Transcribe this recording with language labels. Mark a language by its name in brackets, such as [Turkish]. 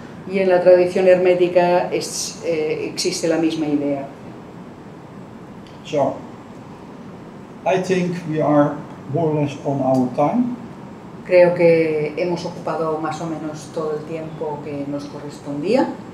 [Spanish] y en la tradición hermética existe la misma idea. [English] So, I think we are more or less on our time. [Spanish] Creo que hemos ocupado más o menos todo el tiempo que nos correspondía.